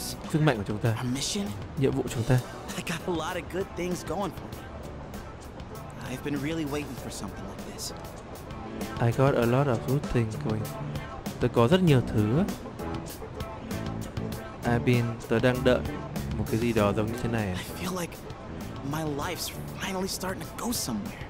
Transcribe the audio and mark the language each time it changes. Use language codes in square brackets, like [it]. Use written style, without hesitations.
[vi] Sức mạnh của chúng ta, nhiệm vụ chúng ta. [en] I got a lot of good things going for me. I've been really waiting for something like this. I got a lot of good things going. [vi] Tớ có rất nhiều thứ. Tớ đang đợi một cái gì đó giống như thế này. [en] I feel like my life's finally starting to go somewhere.